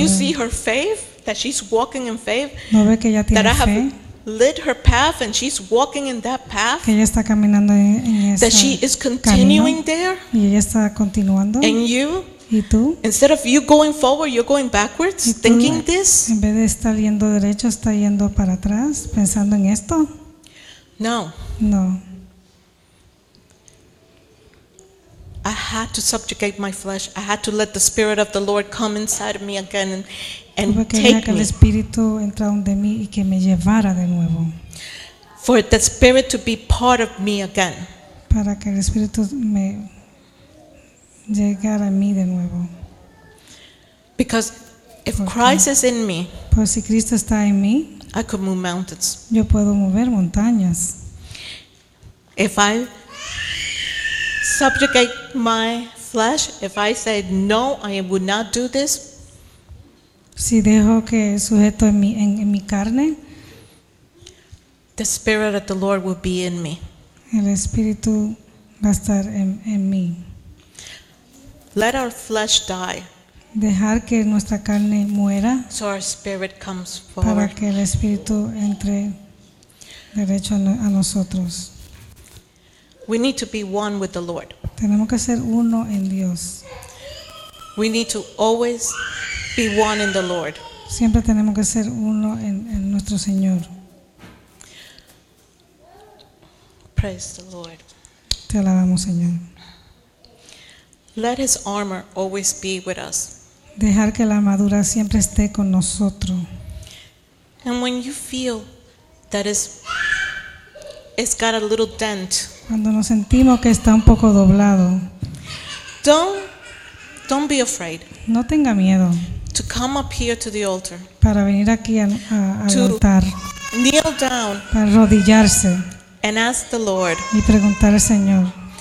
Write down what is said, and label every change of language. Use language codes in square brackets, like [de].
[en] You see her faith? That she's walking in faith? [es] ¿No ve que ella tiene [en] that [es] fe? [en] I have lit her path and she's walking in that path. [es] Que ella está caminando en ese [en] that she is continuing [es] camino, [en] there. [es] Y ella está continuando. [en] And you, [es] ¿y tú? [en] Instead of you going forward, you're going backwards, [es] ¿y tú? [en] Thinking this. [es] En vez de estar yendo derecho, está yendo para atrás, pensando en esto. [en] No. [es] No. [en] I had to subjugate my flesh. I had to let the Spirit of the Lord come inside of me again and take [es] el Espíritu entrara en mí y que me llevara de nuevo. [en] For the Spirit to be part of me again. [es] Para que el Espíritu me llegara a mí de nuevo. [en] Because if Christ is in me, [es] pues si Cristo está en mí, [en] I could move mountains. [es] Yo puedo mover montañas. [en] If I subjugate my flesh, if I say no, I would not do this. [es] Si dejo que sujeto en mi carne, [en] the Spirit of the Lord will be in me. [es] El Espíritu va a estar en mí. [en] Let our flesh die. [es] Dejar que nuestra carne muera. [en] So our spirit comes forward. [es] Para que el Espíritu entre derecho a nosotros. [en] We need to be one with the Lord. [es] Tenemos que ser uno en Dios. [en] We need to always be one in the Lord. [es] Siempre tenemos que ser uno en nuestro Señor. [en] Praise the Lord. [es] Te alabamos, Señor. [en] Let his armor always be with us. [es] Dejar que la armadura siempre esté con nosotros. [en] And when you feel that it's got a little dent. [es] Cuando nos sentimos que está un poco doblado. [en] Don't be afraid. [es] No tenga miedo. [en] To come up here to the altar. [es] Para venir aquí al altar. [en] Kneel down. [es] Para arrodillarse. [en] And ask the Lord. [es] Y preguntar al Señor.